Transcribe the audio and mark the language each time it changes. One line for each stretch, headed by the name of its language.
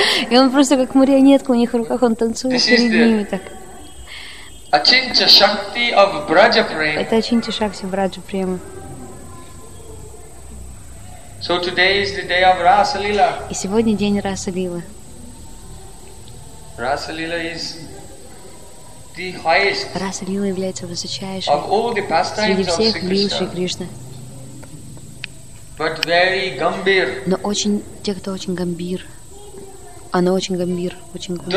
Russian: И он просто как марионетка у них в руках, он танцует перед ними так.
English: Ачинча Шакти of Braja Prema.
Russian: Это Ачинча Шакти Браджа Према.
English: So today is the day of Rasa Lila.
Russian: И сегодня день Раса Лила.
English: Rasa Lila is the highest.
Russian: Раса Лила является высочайшей.
English: Of all the pastimes of
Russian: всех лил Шри Кришна.
English: But very gambir.
Russian: Но очень те, кто очень гамбир. Она очень гамбир, очень глубокий.